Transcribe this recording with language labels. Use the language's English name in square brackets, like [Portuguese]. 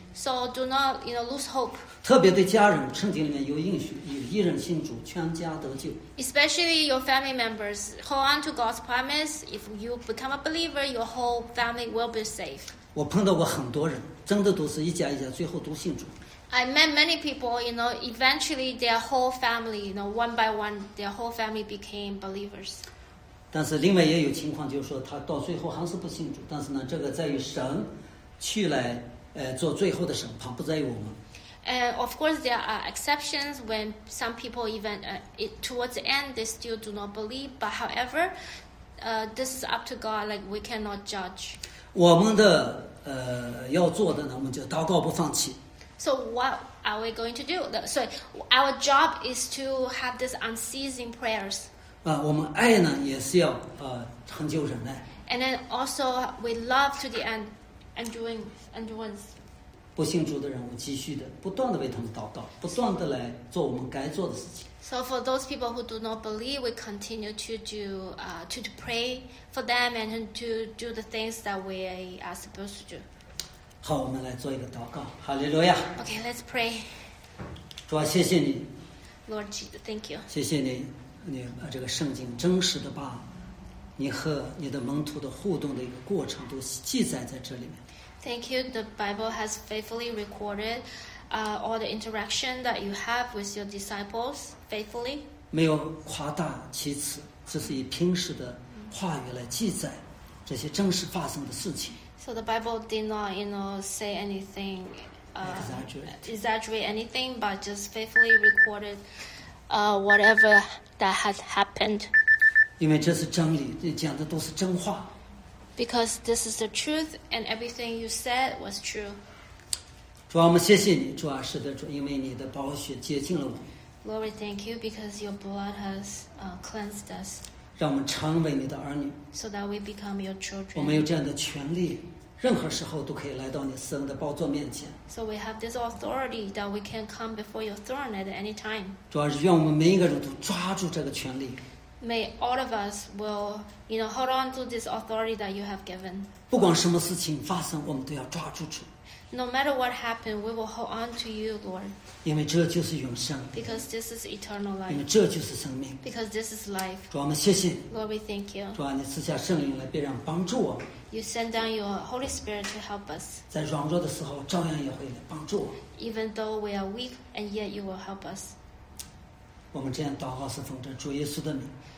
[English] So do not, you know, lose hope. [Chinese] 特别对家人，圣经里面有应许，有一人信主，全家得救。 [English] Especially your family members, hold on to God's promise. If you become a believer, your whole family will be saved. [Chinese] 我碰到过很多人，真的都是一家一家，最后都信主。 [English] I met many people, you know, eventually their whole family, you know, one by one, their whole family became believers. [Chinese] 但是另外也有情况，就是说他到最后还是不信主，但是呢，这个在于神。去来做最后的审判，不在于我们。 [English] Of course, there are exceptions when some people even towards the end they still do not believe. But however, this is up to God. Like we cannot judge. [Chinese] 我们的要做的呢，我们就祷告不放弃。 [English] So what are we going to do? So our job is to have this unceasing prayers. [Chinese] 啊，我们爱呢也是要恒久忍耐。 [English] And then also we love to the end, enduring, endurance. [Chinese] 不信主的人，我继续的不断的为他们祷告，不断的来做我们该做的事情。 [English] So for those people who do not believe, we continue to do to pray for them and to do the things that we are supposed to do. [Chinese] 好，我们来做一个祷告。哈利路亚。 [English] Okay, let's pray. [Chinese] 主啊，谢谢你。 [English] Lord Jesus, thank you. [Chinese] 谢谢你。你这个圣经真实的把你和你的门徒的互动的一个过程都记载在这里面。 [English] Thank you. The Bible has faithfully recorded, all the interaction that you have with your disciples faithfully. [Chinese] 没有夸大其词，只是以平实的话语来记载这些真实发生的事情。 [English] So the Bible did not, you know, say anything, exaggerate anything, but just faithfully recorded, whatever. That has happened. [Chinese] 因为这是真理，你讲的都是真话。 [English] Because this is the truth, and everything you said was true. [Chinese] 主啊，我们谢谢你，主啊，是的，主，因为你的宝血洁净了我们。 [English] Lord, we thank you because your blood has cleansed us. [Chinese] 让我们成为你的儿女。 [English] So that we become your children. [Chinese] 我们有这样的权利，任何时候都可以来到你施恩的宝座面前。 [English] So we have this authority that we can come before your throne at any time. [Chinese] 主要是愿我们每一个人都抓住这个权利。 [English] May all of us will, you know, hold on to this authority that you have given. [Chinese] 不管什么事情发生，我们都要抓住主。 [English] No matter what happened, we will hold on to you, Lord. [Chinese] 因为这就是永生。 [English] Because this is eternal life. [Chinese] 因为这就是生命。 [English] Because this is life. [Chinese] 主要我们谢谢。 [English] Lord, we thank you. [Chinese] 主要你赐下圣灵来，必然帮助我。 [English] You send down your Holy Spirit to help us. [Chinese] 在软弱的时候，照样也会帮助我。 [English] Even though we are weak, and yet you will help us. [Chinese] 我们这样祷告是奉着主耶稣的名。